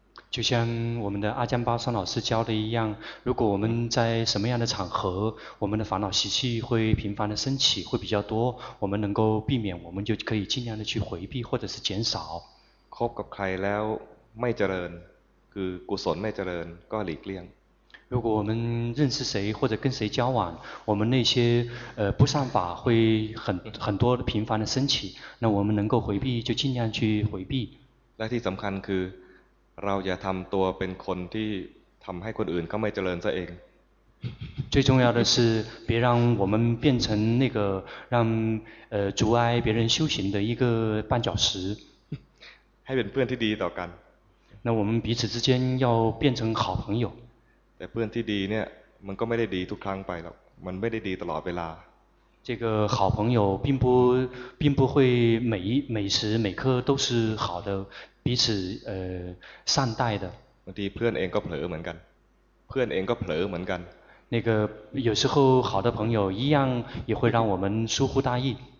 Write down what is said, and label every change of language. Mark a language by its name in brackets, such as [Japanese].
[Chinese] 就像我们的阿姜巴桑老师教的一样，如果我们在什么样的场合，我们的烦恼习气会频繁的升起，会比较多，我们能够避免，我们就可以尽量的去回避或者是减少。 [Thai] คบกับใครแล้วไม่เจริญคือกุศลไม่เจริญก็หลีกเลี่ยง。 [Chinese] 如果我们认识谁或者跟谁交往，我们那些不善法会很多的频繁的升起，那我们能够回避就尽量去回避。 [Thai] และที่สำคัญคือเราอย่าทำตัวเป็นคนที่ทำให้คนอื่นเขาไม่เจริญซะเอง [Chinese] 最重要的是别让我们变成那个让阻碍别人修行的一个绊脚石 [Thai] ให้เป็นเพื่อนที่ดีต่อกัน [Chinese] 那我们彼此之间要变成好朋友 [Thai] แต่เพื่อนที่ดีเนี่ยมันก็ไม่ได้ดีทุกครั้งไปหรอกมันไม่ได้ดีตลอดเวลา [Chinese] 这个好朋友并不会每时每刻都是好的彼此善待的 [Thai] บางทีเพื่อนเองก็เผลอเหมือนกันเพื่อนเองก็เผลอเหมือนกัน [Chinese] 那个有时候好的朋友一样也会让我们疏忽大意